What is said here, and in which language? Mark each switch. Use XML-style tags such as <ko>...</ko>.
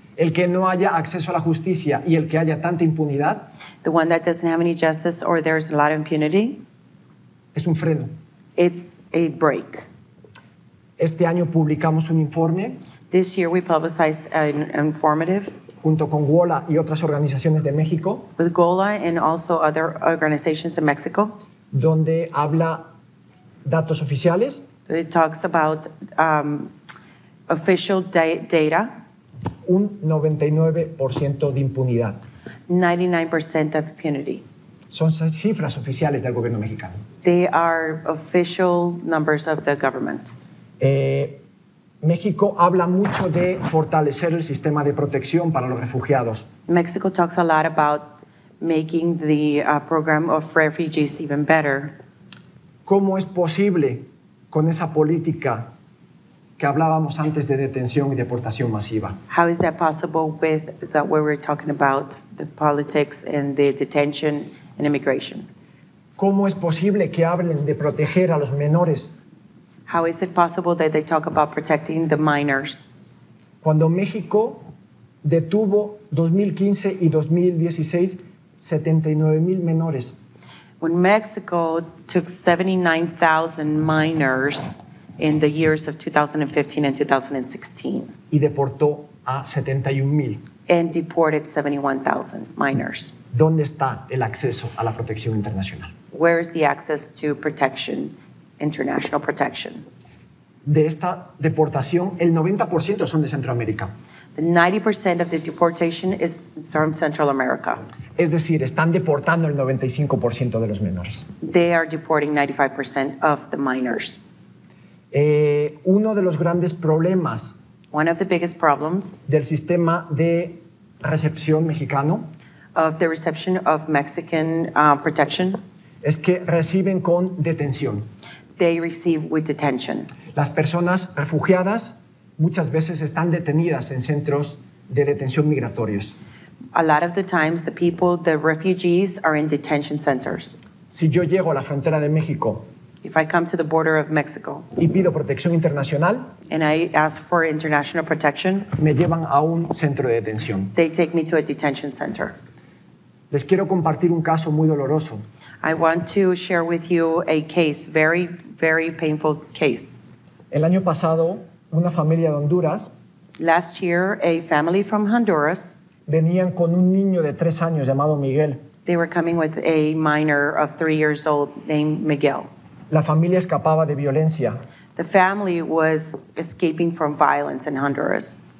<es>El que no haya acceso a la justicia y el que haya tanta impunidad,</es> <en>the one that doesn't have any justice or there's a lot of impunity,</en> <es>es un freno.</es> <en>It's a break.</en> <es>Este año publicamos un informe.</es> <en>This year we publicized an informative.</en> <es>Junto con GOLA y otras organizaciones de México.</es> <en>With GOLA and also other organizations in Mexico.</en> <es>Donde habla datos oficiales.</es> <en>It talks about official data.</en> <es>Un 99% de impunidad.</es> <en>99% of impunity.</en> <es>Son cifras oficiales del gobierno mexicano.</es> <en>They are official numbers of the government.</en> <es>México habla mucho de fortalecer el sistema de protección para los refugiados.</es> <en>Mexico talks a lot about making the program of refugees even better.</en> <es>¿Cómo es posible con esa política que hablábamos antes de detención y deportación masiva?</es> <en>How is that possible with that we were talking about the politics and the detention and immigration?</en> <es>¿Cómo es posible que hablen de proteger a los menores?</es> <en>How is it possible that they talk about protecting the minors?</en> <es>Cuando México detuvo 2015 y 2016 79,000 menores.</es> <en>When Mexico took 79,000 minors in the years of 2015 and 2016.</en> <es>Y deportó a 71,000.</es> <en>And deported 71,000 minors.</en> <es>¿Dónde está el acceso a la protección internacional?</es> <en>Where is the access to protection, international protection?</en> <es>De esta deportación, el 90% son de Centroamérica.</es> <en>The 90% of the deportation is from Central America.</en> <es>Es decir, están deportando el 95% de los menores.</es> <en>They are deporting 95% of the minors.</en> <es>Uno de los grandes problemas,</es> <en>one of the biggest problems,</en> <es>del sistema de recepción mexicano,</es> <en>of the reception of Mexican protection,</en> <es>es que reciben con detención.</es> <en>They receive with detention.</en> <es>Las personas refugiadas muchas veces están detenidas en centros de detención migratorios.</es> <en>A lot of the times, the people, the refugees, are in detention centers.</en> <es>Si yo llego a la frontera de México,</es> <en>if I come to the border of Mexico,</en> <es>y pido protección internacional,</es> <en>and I ask for international protection,</en> <es>me llevan a un centro de detención.</es> <en>They take me to a detention center.</en> <es>Les quiero compartir un caso muy doloroso.</es> <en>I want to share with you a case, very, very painful case.</en> <es>El año pasado, una familia de Honduras,</es> <en>last year, a family from Honduras,</en> <es>venían con un niño de 3 años llamado Miguel.</es> <en>They were coming with a minor of 3 years old named Miguel.</en> <es>La familia escapaba de violencia.</es> <en>The family was escaping from violence in Honduras.</en>